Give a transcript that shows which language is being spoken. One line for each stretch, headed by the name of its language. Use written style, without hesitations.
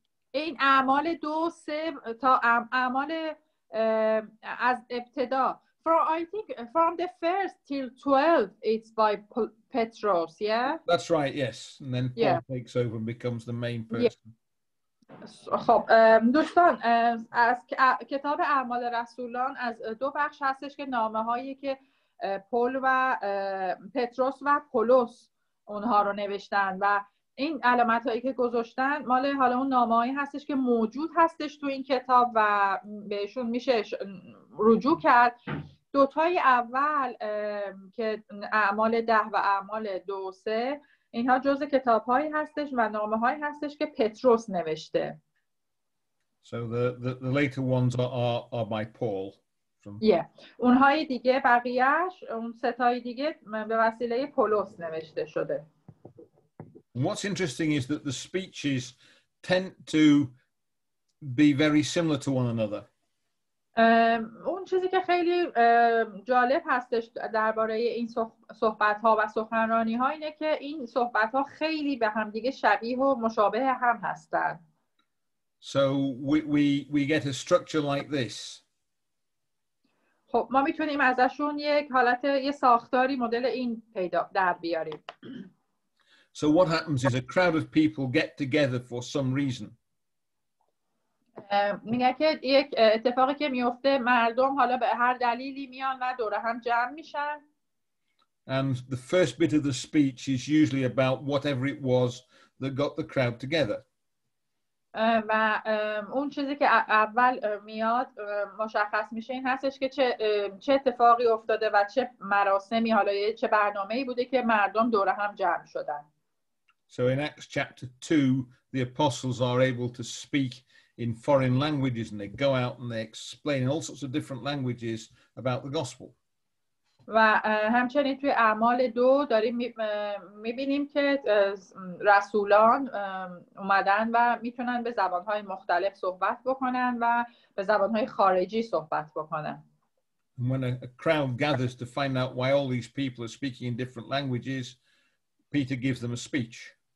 Persian: این اعمال دو سه تا اعمال از ابتدا.
English: From the first till 12, it's by Petros, yeah? That's right, yes. And then Paul takes over and becomes the main person. Yeah.
Persian: خب دوستان از کتاب اعمال رسولان از دو بخش هستش که نامه هایی که پول و پتروس و پولس اونها رو نوشتن و این علامت هایی که گذاشتن مال حالا اون نامه هایی هستش که موجود هستش تو این کتاب و بهشون میشه رجوع کرد. دوتای اول که اعمال ده و اعمال دو سه اینها جزء کتاب‌هایی هستش و نامه‌هایی هستش که پتروس نوشته.
English: So the later ones are by Paul.
Persian: اونهای دیگه بقیه‌اش اون ستای دیگه به وسیله پولس نوشته شده.
English: What's interesting is that the speeches tend to be very similar to one another.
Persian: اون چیزی که خیلی جالب هستش درباره این صحبت‌ها و سخنرانی‌ها اینه که این صحبت‌ها خیلی به هم دیگه شبیه و مشابه هم هستند.
English: So we get a structure like this.
Persian: خب ما میتونیم ازشون یک حالت یه ساختاری مدل این پیدا در بیاریم.
English: So what happens is a crowd of people get together for some reason.
Persian: میگه که یک اتفاقی که میفته مردم حالا به هر دلیلی میان و دوره هم جمع میشن.
English: And the first bit of the speech is usually about whatever it was that got the crowd together.
Persian: و اون چیزی که اول میاد مشخص میشه این هستش که چه اتفاقی افتاده و چه مراسمی حالا چه برنامه‌ای بوده که مردم دوره هم جمع شدن.
English: So in Acts chapter 2 the apostles are able to speak in foreign languages and they go out and they explain in all sorts of different languages about the gospel.
Persian: و همچنین توی اعمال دو داریم میبینیم که رسولان اومدن و میتونن به زبانهای مختلف صحبت بکنن و به زبانهای خارجی صحبت بکنن.
English: And when a crowd gathers to find out why all these people are speaking in different languages, Peter gives them a speech.